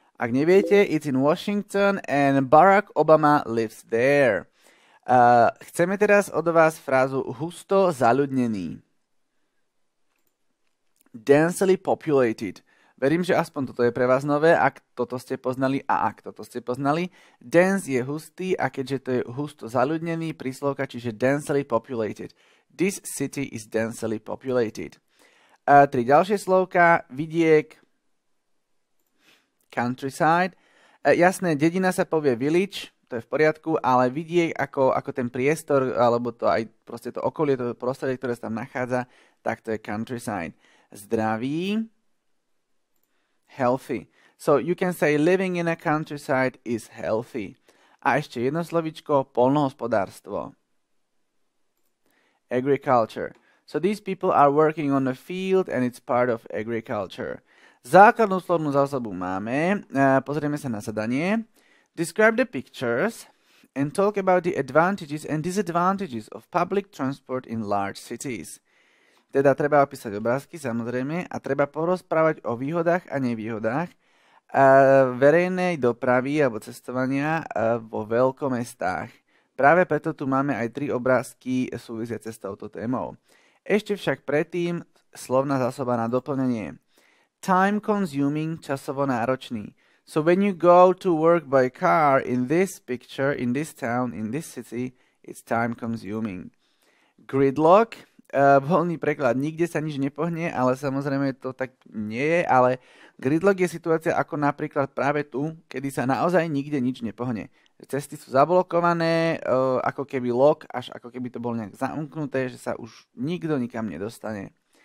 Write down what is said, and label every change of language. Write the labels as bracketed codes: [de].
[sk] Ak neviete, [en] it's in Washington and Barack Obama lives there. [sk] Chceme teraz od vás frázu husto zaľudnený. [en] Densely populated. [sk] Verím, že aspoň toto je pre vás nové, ak toto ste poznali a ak toto ste poznali. Dense je hustý a keďže to je husto zaľudnený, príslovka, čiže densely populated. [en] This city is densely populated. [sk] Tri ďalšie slovka, vidiek, [en] countryside. [sk] Jasné, dedina sa povie village, to je v poriadku, ale vidiek ako ten priestor, alebo to aj proste to okolie, to prostredie, ktoré sa tam nachádza, tak to je countryside. Zdraví, healthy. [en] So you can say living in a countryside is healthy. [sk] A ešte jedno slovičko, poľnohospodárstvo. [en] Agriculture. So these people are working on the field and it's part of agriculture. [sk] Základnú slovnú zásobu máme. Pozrieme sa na zadanie. [en] Describe the pictures and talk about the advantages and disadvantages of public transport in large cities. [sk] Teda treba opísať obrázky, samozrejme, a treba porozprávať o výhodách a nevýhodách verejnej dopravy alebo cestovania vo veľkomestách. Práve preto tu máme aj tri obrázky súvisiace s touto témou. Ešte však predtým slovná zásoba na doplnenie. Time consuming, časovo náročný. [en] So when you go to work by car in this picture, in this town, in this city, it's time consuming. [sk] Gridlock, voľný preklad, nikde sa nič nepohne, ale samozrejme to tak nie je, ale gridlock je situácia ako napríklad práve tu, kedy sa naozaj nikde nič nepohne. Cesty sú zablokované, ako keby lock, až ako keby to bolo nejak zamknuté, že sa už nikto nikam nedostane.